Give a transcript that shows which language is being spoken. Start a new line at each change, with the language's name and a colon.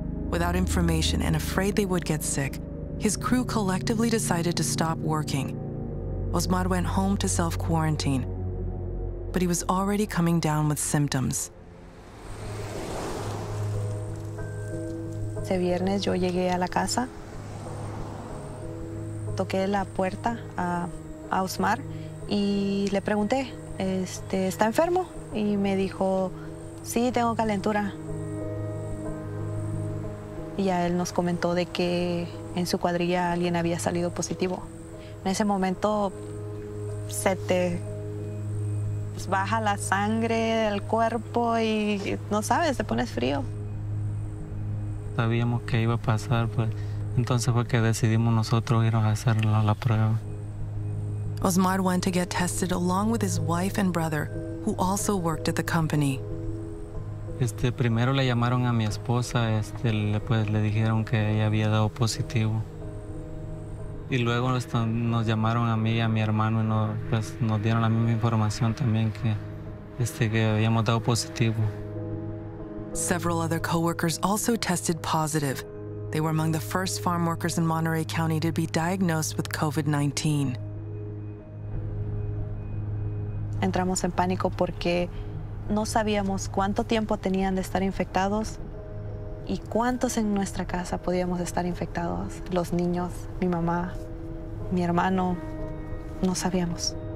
English: Without information and afraid they would get sick, his crew collectively decided to stop working. Osmar went home to self-quarantine, but he was already coming down with symptoms.
Spanish: Ese viernes yo llegué a la casa, toqué la puerta a Osmar y le pregunté, ¿está enfermo? Y me dijo, sí, tengo calentura. Y a él nos comentó de que en su cuadrilla alguien había salido positivo. En ese momento se te baja la sangre del cuerpo y no sabes, te pones frío. Sabíamos que iba a pasar, entonces fue que decidimos nosotros ir a hacer la prueba.
English: Osmar went to get tested along with his wife and brother, who also worked at the company.
Spanish: Primero le llamaron a mi esposa, le dijeron que ella había dado positivo. Y luego nos llamaron a mí y a mi hermano y nos dieron la misma información también que habíamos dado positivo.
English: Several other co-workers also tested positive. They were among the first farm workers in Monterey County to be diagnosed with COVID-19.
Spanish: Entramos en pánico porque no sabíamos cuánto tiempo tenían de estar infectados y cuántos en nuestra casa podíamos estar infectados. Los niños, mi mamá, mi hermano, no sabíamos.